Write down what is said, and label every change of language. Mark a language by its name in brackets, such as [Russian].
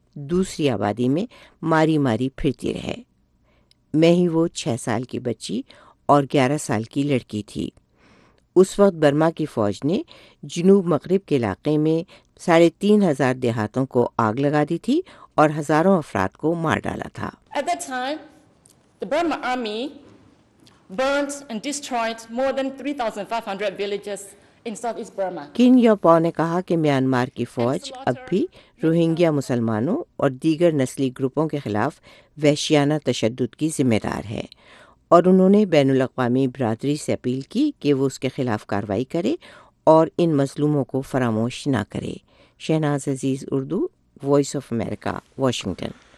[Urdu] دوسری آبادی میں ماری ماری پھرتی رہے۔ میں ہی وہ 6 سال کی بچی اور 11 سال کی لڑکی تھی۔ اس وقت برما کی فوج نے جنوب مغرب کے علاقے میں 3500 دیہاتوں کو آگ لگا دی تھی اور ہزاروں افراد کو مار ڈالا تھا۔ [English] At that time, the Burma army burnt and destroyed more than 3,500 villages in southeast Burma. [Urdu] کن یو پاؤ نے کہا کہ میانمار کی فوج اب بھی روہنگیا مسلمانوں اور دیگر نسلی گروپوں کے خلاف وحشیانہ تشدد کی ذمہ دار ہے، اور انہوں نے بین الاقوامی برادری سے اپیل کی کہ وہ اس کے خلاف کارروائی کرے اور ان مظلوموں کو فراموش نہ کرے۔ شہناز عزیز، Urdu, voice of America, Washington.